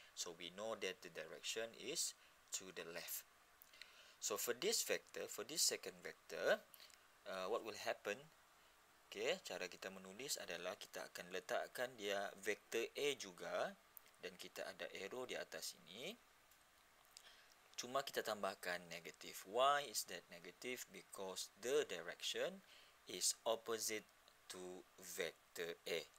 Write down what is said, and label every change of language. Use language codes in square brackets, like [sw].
[en] So we know that the direction is to the left. So for this vector, for this second vector, what will happen? [id] Okay, cara kita menulis adalah kita akan letakkan dia vektor A juga, dan kita ada arrow di atas ini. Cuma kita tambahkan negatif. [en] Why is that negative? Because the direction is opposite to vector A.